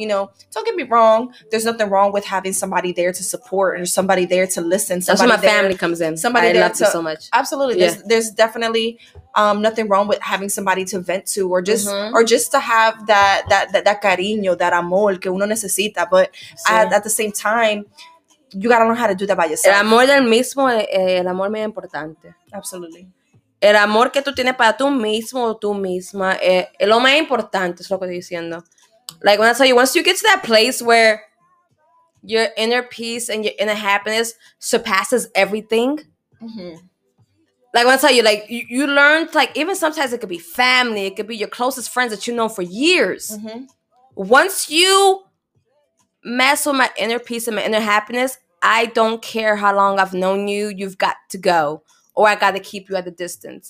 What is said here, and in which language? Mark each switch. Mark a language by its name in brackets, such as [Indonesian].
[English] You know, don't get me wrong. There's nothing wrong with having somebody there to support or somebody there to listen. That's where my family comes in. Somebody I love you so much. Absolutely. Yeah. There's definitely nothing wrong with having somebody to vent to or just or just to have that [Spanish] cariño, [English] that [Spanish] amor que uno necesita. [English] But at the same time, you gotta learn how to do that by yourself. [Spanish] El amor del mismo, el amor más importante. [English] Absolutely. [Spanish] El amor que tú tienes para tú mismo o tú misma, es lo más importante, es lo que estoy diciendo. [English] Like, when I tell you, once you get to that place where your inner peace and your inner happiness surpasses everything. Mm-hmm. Like, I want to tell you, like, you learned, like, even sometimes it could be family, it could be your closest friends that you know for years. Mm-hmm. Once you mess with my inner peace and my inner happiness, I don't care how long I've known you, you've got to go, or I got to keep you at a distance.